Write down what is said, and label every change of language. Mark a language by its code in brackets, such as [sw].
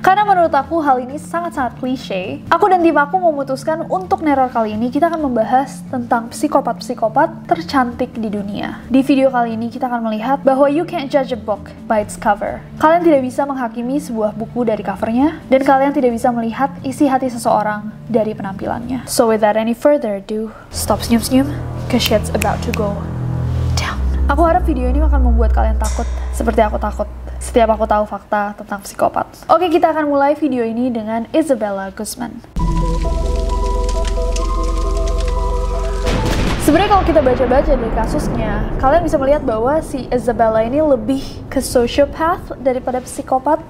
[id] Karena menurut aku hal ini sangat-sangat klise, aku dan tim aku memutuskan untuk Neror kali ini kita akan membahas tentang psikopat-psikopat tercantik di dunia. Di video kali ini kita akan melihat bahwa [en] you can't judge a book by its cover. [id] Kalian tidak bisa menghakimi sebuah buku dari covernya, dan kalian tidak bisa melihat isi hati seseorang dari penampilannya. [en] So without any further ado, stop [id] senyum-senyum, [en] cause shit's about to go down. [id] Aku harap video ini akan membuat kalian takut seperti aku takut setiap aku tahu fakta tentang psikopat. Oke, kita akan mulai video ini dengan Isabella Guzman. Sebenarnya kalau kita baca-baca dari kasusnya, kalian bisa melihat bahwa si Isabella ini lebih ke sociopath daripada psikopat.